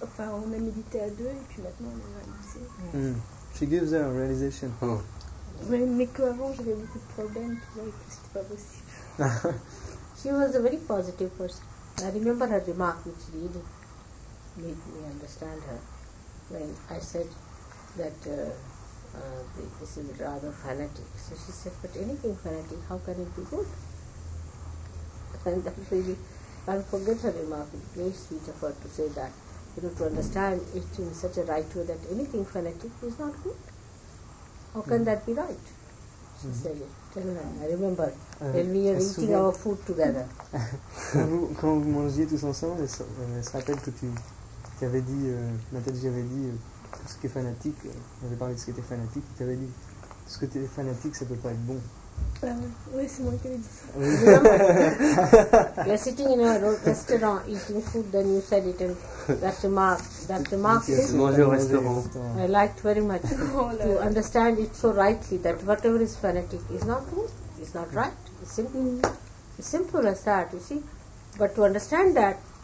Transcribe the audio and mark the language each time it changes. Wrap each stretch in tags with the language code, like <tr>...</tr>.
<fr>Enfin, on a médité à deux et puis maintenant on a réalisé.</fr> <en>She gives her a realization. Oh.</en> <fr>Mais qu'avant j'avais beaucoup de problèmes, tout ça, et que c'était pas possible.</fr> <en>She was a very positive person. I remember her remark, which really made me understand her. When I said that this is rather fanatic. So she said, but anything fanatic, how can it be good? And that really, I'll forget her remark. It's very sweet of her to say that. You know, to understand it in such a right way that anything fanatic is not good. How can that be right? She said it. Tell her. I remember when we were eating our food together.</en> <fr>Quand vous mangez tous ensemble, elle se rappelle que tu avais dit, Mataji avait dit, tout ce qui est fanatique, on avait parlé de ce qui était fanatique, tu avais dit, tout ce qui était fanatique, ça ne peut pas être bon. Oui, c'est moi qui l'ai dit ça.</fr> <en>You're sitting in a restaurant eating food, then you said it, and that remark</en> <fr>is manger au restaurant.</fr> <en>I liked very much to understand it so rightly that whatever is fanatic is not good, is not right. It's simple as that, you see. But to understand that,</en>